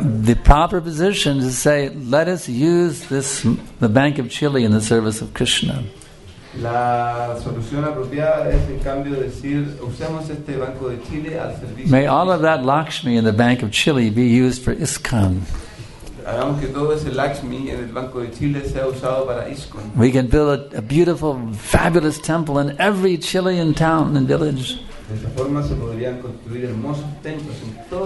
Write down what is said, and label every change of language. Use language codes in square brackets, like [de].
[en] The proper position is to say, let us use this, the Bank of Chile, in the service of Krishna. [es] La solución apropiada es, en cambio, decir, usemos este Banco de Chile al servicio. [en] May all of that Lakshmi in the Bank of Chile be used for ISKCON. [es] Hagamos que todo ese Lakshmi en el Banco de Chile sea usado para ISKCON. [en] We can build a beautiful, fabulous temple in every Chilean town and village. [es] De esa forma se podrían construir hermosos templos en todo.